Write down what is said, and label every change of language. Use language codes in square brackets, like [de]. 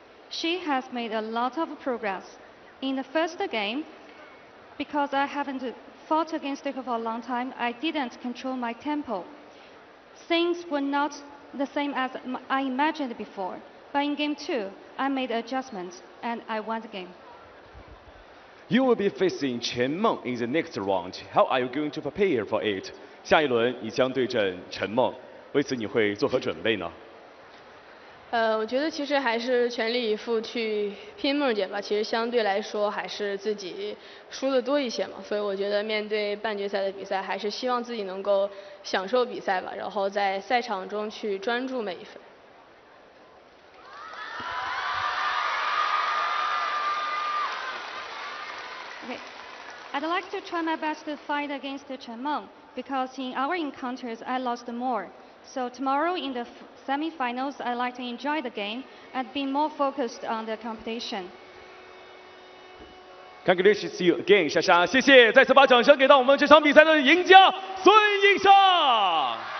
[en] She has made a lot of progress. In the first game, because I haven't fought against her for a long time, I didn't control my tempo. Things were not the same as I imagined before. But in game two, I made adjustments and I won the game. You will be facing Chen Meng in the next round. How are you going to prepare for it? [zh] 下一轮你将对阵陈梦，为此你会做何准备呢？我觉得其实还是全力以赴去拼梦姐吧。其实相对来说还是自己输的多一些嘛，所以我觉得面对半决赛的比赛，还是希望自己能够享受比赛吧，然后在赛场中去专注每一分。 [en] I'd like to try my best to fight against Chen Meng because in our encounters I lost more. So tomorrow in the semifinals I'd like to enjoy the game and be more focused on the competition. Congratulations to you again, Xia Xia. [zh] 谢谢，再次把掌声给到我们这场比赛的赢家孙颖尚。